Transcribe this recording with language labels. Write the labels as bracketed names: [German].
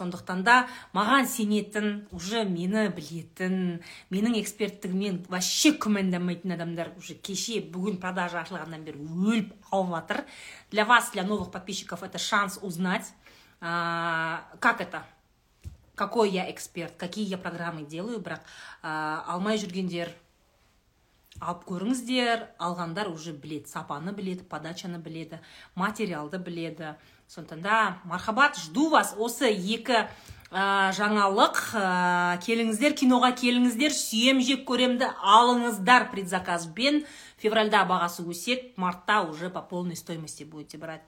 [Kazakh] Сондықтан да маған сенетін, уже мені білетін, менің эксперттігімен вообще күмәндамайтын адамдар уже кеше бүгін продажа ашылғаннан бері өліп қалып жатыр. [Russian] Для вас, для новых подписчиков, это шанс узнать. Как это? Какой я эксперт? Какие я программы делаю? [Kazakh] Бірақ алмай жүргендер алып көріңіздер, алғандар уже біледі, сапаны біледі, подачаны біледі, материалды біледі. Сондықтан да, мархабат, [Russian] жду вас. [Kazakh] Осы екі жаңалық, келіңіздер, киноға келіңіздер, сүйем жек көремді алыңыздар предзаказ бен. Февральда бағасы өсек, мартта [Russian] уже по полной стоимости будете брать.